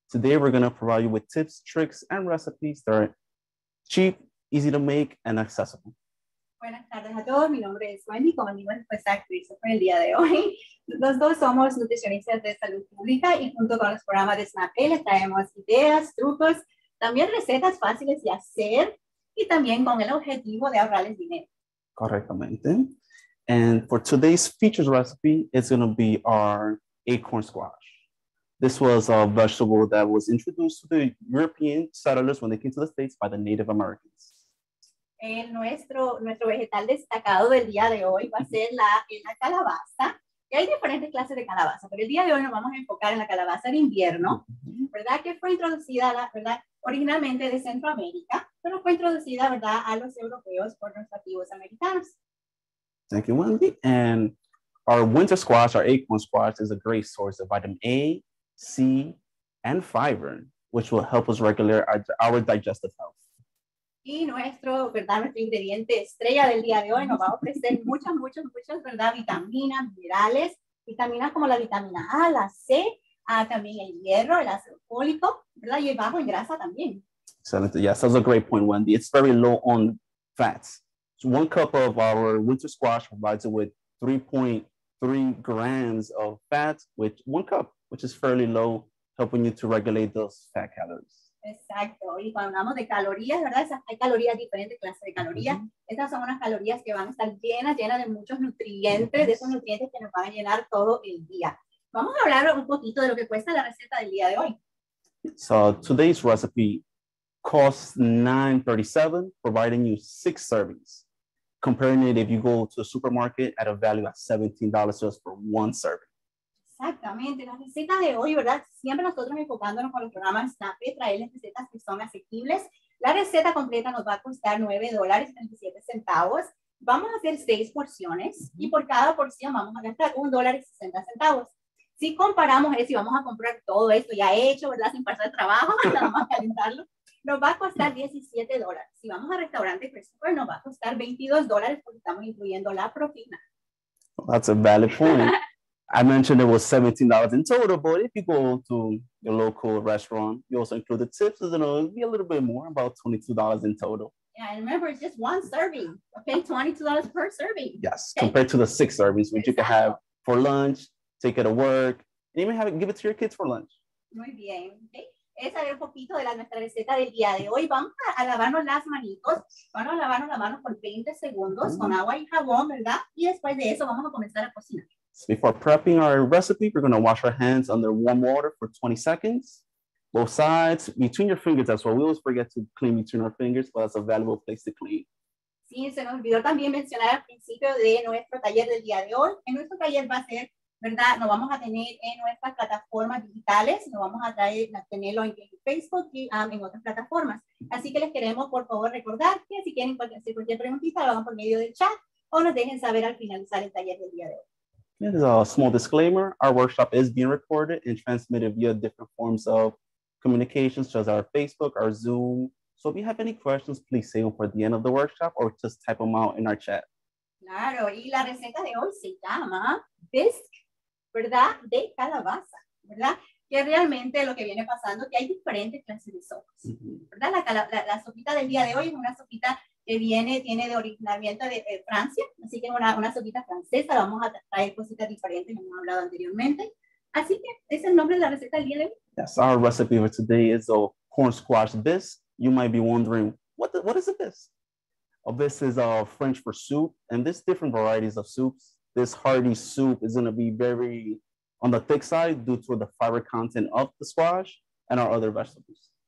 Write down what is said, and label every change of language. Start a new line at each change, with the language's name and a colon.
English: Today, we're going to provide you with tips, tricks, and recipes that are cheap, easy to make, and accessible.
Spanish: Buenas tardes a todos. Mi nombre es Wendy. Como digo, pues actrizo por el día de hoy. Los dos somos nutricionistas de salud pública y junto con los programas de Snap L traemos ideas, trucos, también recetas fáciles de hacer y también con el objetivo de ahorrarles dinero. Correctamente.
English: And for today's featured recipe, it's going to be our acorn squash. This was a vegetable that was introduced to the European settlers when they came to the States by the Native Americans.
Spanish: Nuestro vegetal destacado del día de hoy va a ser la calabaza. Y hay diferentes clases de calabaza, pero el día de hoy nos vamos a enfocar en la calabaza de invierno, ¿verdad? Que fue introducida, ¿verdad? Originalmente de Centroamérica, pero fue introducida, ¿verdad? A los europeos por los nativos americanos.
English: Thank you, Wendy. And our winter squash, our acorn squash, is a great source of vitamin A, C, and fiber, which will help us regulate our digestive health.
Spanish: Y nuestro, ¿verdad? Nuestro ingrediente estrella del día de hoy nos va a ofrecer muchas, ¿verdad? Vitaminas, minerales, vitaminas como la vitamina A, la C, también el hierro, el ácido fólico, ¿verdad? Y bajo en grasa también.
English: Excellent. Yes, that's a great point, Wendy. It's very low on fats. So 1 cup of our winter squash provides it with 3.3 grams of fat, which 1 cup, which is fairly low, helping you to regulate those fat calories.
Spanish: Exacto. Y cuando hablamos de calorías, ¿verdad? Hay calorías, diferentes clases de calorías. Mm-hmm. Estas son unas calorías que van a estar llenas de muchos nutrientes, yes. De esos nutrientes que nos van a llenar todo el día. Vamos a hablar un poquito de lo que cuesta la receta del día de hoy.
English: So today's recipe costs $9.37, providing you 6 servings. Comparing it, if you go to a supermarket, at a value of $17 just for 1 serving.
Spanish: Exactamente. La receta de hoy, ¿verdad? Siempre nosotros enfocándonos con los programas Snap, traerles recetas que son asequibles. La receta completa nos va a costar $9.37. Vamos a hacer 6 porciones y por cada porción vamos a gastar $1.60. Si comparamos eso y vamos a comprar todo esto ya hecho, ¿verdad? Sin pasar el trabajo, nada más calentarlo. Nos va a costar $17. Si vamos a restaurante, pues, nos va a costar $22 porque estamos incluyendo la propina.
English: Well, that's a valid point. I mentioned it was $17 in total, but if you go to your local restaurant, you also include the tips, it's going to be a little bit more, about $22 in total. Yeah, and remember, it's just 1 serving. Okay, $22 per serving. Yes, okay. Compared to the 6 servings, which you can have for lunch, take it to work, and even give it to your kids for lunch.
Spanish: Muy bien, okay. Es saber un poquito de nuestra receta del día de hoy. Vamos a lavarnos las manitos. Vamos a lavarnos las manos por 20 segundos con agua y jabón, ¿verdad? Y después de eso vamos a comenzar a cocinar.
English: So before prepping our recipe, we're going to wash our hands under warm water for 20 seconds. Both sides, between your fingers as well. We always forget to clean between our fingers, but that's a valuable place to clean.
Spanish: Sí, se nos olvidó también mencionar al principio de nuestro taller del día de hoy. En nuestro taller va a ser, ¿verdad? Nos vamos a tener en nuestras plataformas digitales, nos vamos a tenerlo en Facebook y en otras plataformas. Así que les queremos, por favor, recordar que si quieren hacer cualquier preguntita, lo hagan por medio del chat o nos dejen saber al finalizar el taller del día de hoy.
English: This is a small disclaimer. Our workshop is being recorded and transmitted via different forms of communications, such as our Facebook, our Zoom. So if you have any questions, please save them for the end of the workshop or just type them out in our chat.
Spanish: Claro, y la receta de hoy se llama Bisque, ¿verdad? De calabaza, ¿verdad? Que realmente lo que viene pasando es que hay diferentes clases de sopas, ¿verdad? La sopita del día de hoy es una sopita que tiene de originamiento de Francia, así que una sopita francesa, vamos a traer cositas diferentes, como hemos hablado anteriormente. Así que ese es el nombre de la receta del día de hoy.
English: Yes, our recipe for today is a corn squash bisque. You might be wondering, what is a bisque? A bisque is a French for soup, and there's different varieties of soups. This hearty soup is going to be very on the thick side due to the fiber content of the squash and our other vegetables.